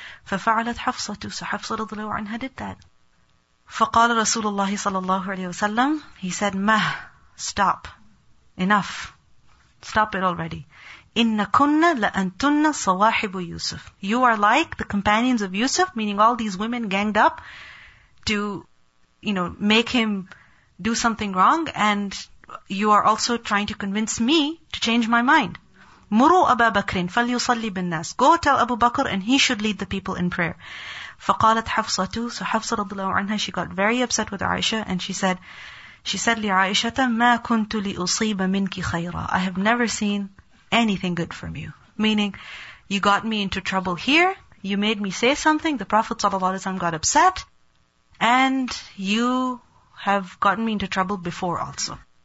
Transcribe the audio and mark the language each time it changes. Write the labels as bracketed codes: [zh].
[ar] فَفَعَلَتْ حَفْصَةُ. [en] So Hafsa radhiyallahu anha did that. [ar] فَقَالَ رَسُولُ اللَّهِ صَلَى اللَّهُ عَلَيْهِ وَسَلَّمْ. [en] He said, [ar] مَهْ. [en] Stop. Enough. Stop it already. [ar] إِنَّ كُنَّ لَأَنْتُنَّ صَوَاحِبُ يوسف. [en] You are like the companions of Yusuf, meaning all these women ganged up to, you know, make him do something wrong, and you are also trying to convince me to change my mind. [ar] مروا أبا بكر فليصلي بالناس. [en] Go tell Abu Bakr and he should lead the people in prayer. [ar] فقالت حفصة. [en] So [ar] حفصة رضي الله عنها, [en] she got very upset with Aisha, and she said [ar] لعائشة, ما كنت لأصيب منك خيرا. [en] I have never seen anything good from you. Meaning, you got me into trouble here, you made me say something, the Prophet sallallahu alaihi wasallam got upset, and you have gotten me into trouble before also.